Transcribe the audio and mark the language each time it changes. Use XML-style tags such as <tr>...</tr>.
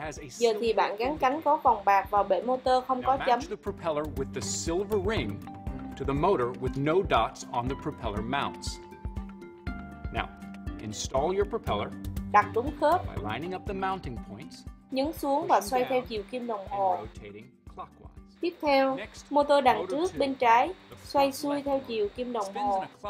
<vi>Giờ thì bạn gắn cánh có vòng bạc vào bệ motor không có chấm.</vi> <en>The propeller with the silver ring to the motor with no dots on the propeller mounts. Now, install your propeller.</en> <vi>Đặt đúng khớp.</vi> <en>By lining up the mounting points.</en> <vi>Nhấn xuống và xoay theo chiều kim đồng hồ. Tiếp theo, motor đằng trước bên trái xoay xuôi theo chiều kim đồng hồ.</vi>